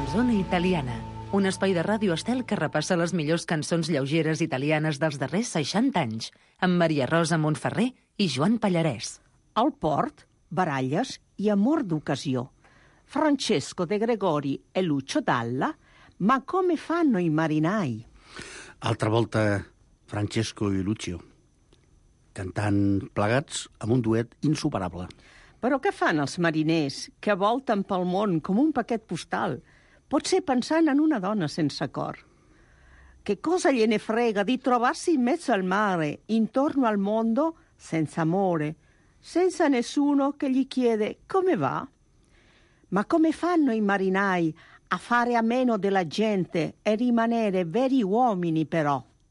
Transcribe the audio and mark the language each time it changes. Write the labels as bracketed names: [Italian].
[Catalan] Italiana, un espai de Ràdio Estel que repassa les millors cançons lleugeres italianes dels darrers 60 anys, amb Maria Rosa Montferrer i Joan Pallarès. El port, baralles i amor d'ocasió. [Italian] Francesco de Gregori e Lucio Dalla, ma come fanno i marinai? [Catalan] Altra volta Francesco i Lucio, cantant plegats amb un duet insuperable. Però què fan els mariners que volten pel món com un paquet postal? Potser pensant en una dona sense cor. [Italian] Que cosa gliene frega di trovarsi in mezzo al mare, intorno al mondo, senza amore, senza nessuno che gli chiede come va? Ma come fanno i marinai a fare a meno della gente e rimanere veri uomini però?